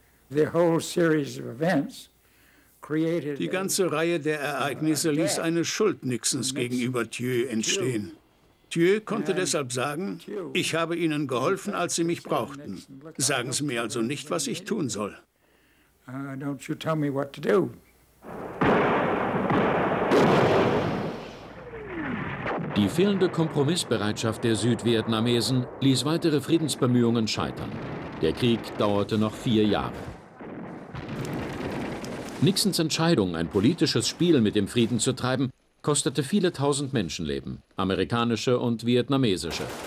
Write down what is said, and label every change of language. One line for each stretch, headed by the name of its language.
German: Die ganze Reihe der Ereignisse ließ eine Schuld Nixons gegenüber Thieu entstehen. Thieu konnte deshalb sagen, ich habe ihnen geholfen, als sie mich brauchten. Sagen Sie mir also nicht, was ich tun soll.
English: Don't you tell me what to do.
German: Die fehlende Kompromissbereitschaft der Südvietnamesen ließ weitere Friedensbemühungen scheitern. Der Krieg dauerte noch 4 Jahre. Nixons Entscheidung, ein politisches Spiel mit dem Frieden zu treiben, kostete viele tausend Menschenleben, amerikanische und vietnamesische.